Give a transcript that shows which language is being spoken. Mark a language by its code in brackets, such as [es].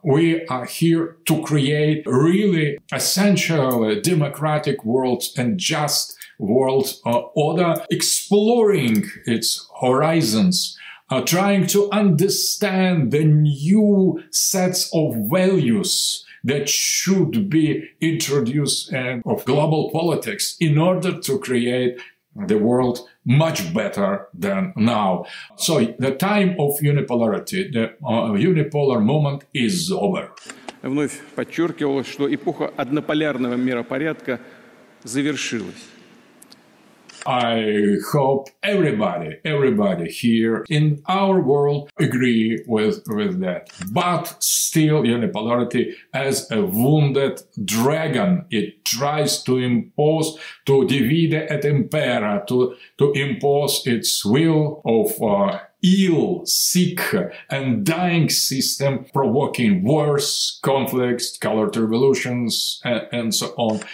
[en] We are here to create really essential democratic worlds and just world order, exploring its horizons, trying to understand the new sets of values that should be introduced of global politics in order to create the world much better than now. So the time of unipolarity, the unipolar moment is over. [ru] Вновь подчеркивалось, что эпоха однополярного миропорядка завершилась. [en] I hope everybody here in our world agree with that. But still, unipolarity as a wounded dragon, it tries to impose, to divide et impera, to impose its will of ill, sick, and dying system, provoking wars, conflicts, colored revolutions, and so on.